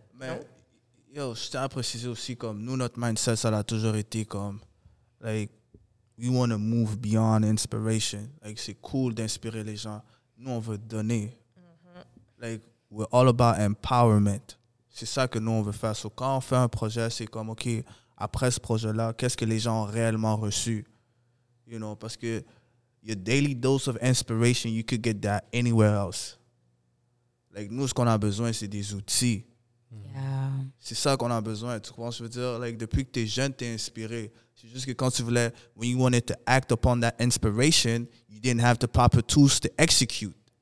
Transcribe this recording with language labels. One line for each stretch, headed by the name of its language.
French: Mais yo, je tiens à préciser aussi, comme, nous, notre mindset, ça l'a toujours été, comme,
English: like, we want to move beyond inspiration.
French: Like, c'est cool d'inspirer les gens. Nous, on veut donner.
English: Like, we're all about empowerment.
French: C'est ça que nous, on veut faire. So, quand on fait un projet, c'est comme, OK, après ce projet-là, qu'est-ce que les gens ont réellement reçu?
English: You know,
French: parce que
English: your daily dose of inspiration, you could get that anywhere else.
French: Like, nous, ce qu'on a besoin, c'est des outils.
English: Yeah.
French: C'est ça qu'on a besoin. Tu comprends? Je veux dire, like, depuis que t'es jeune, t'es inspiré. C'est juste que quand tu voulais,
English: when you wanted to act upon that inspiration, you didn't have the proper tools to execute.